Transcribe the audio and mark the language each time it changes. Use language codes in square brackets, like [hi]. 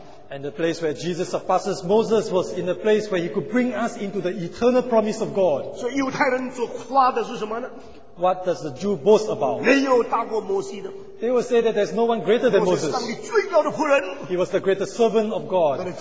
[en] And And the place where Jesus surpasses Moses was in the place where he could bring us into the eternal promise of God. [zh] So, 犹太人所夸的是什么呢? [en] What does the Jew boast about? [zh] 没有大过摩西的。 [en] They will say that there's no one greater than Moses. He was the greatest servant of God.